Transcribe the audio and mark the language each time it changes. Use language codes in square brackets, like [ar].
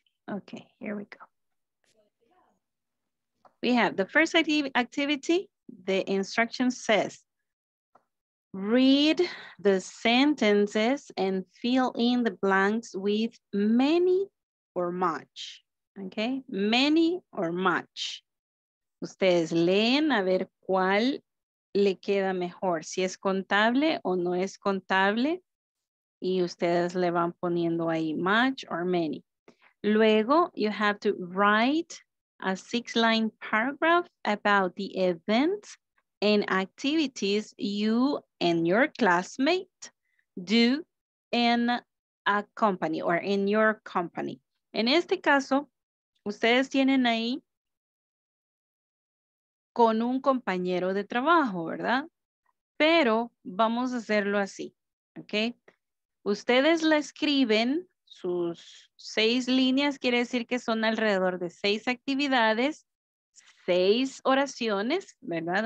[en] Okay, here we go. We have the first activity. The instruction says, read the sentences and fill in the blanks with many or much. Okay, many or much. [es] Ustedes leen a ver cuál le queda mejor, si es contable o no es contable. Y ustedes le van poniendo ahí [en] much or many. Luego, you have to write a 6-line paragraph about the events and activities you and your classmate do in a company or in your company. [es] En este caso, ustedes tienen ahí con un compañero de trabajo, ¿verdad? Pero vamos a hacerlo así, ¿ok? Ustedes la escriben, sus 6 líneas quiere decir que son alrededor de 6 actividades, 6 oraciones, ¿verdad?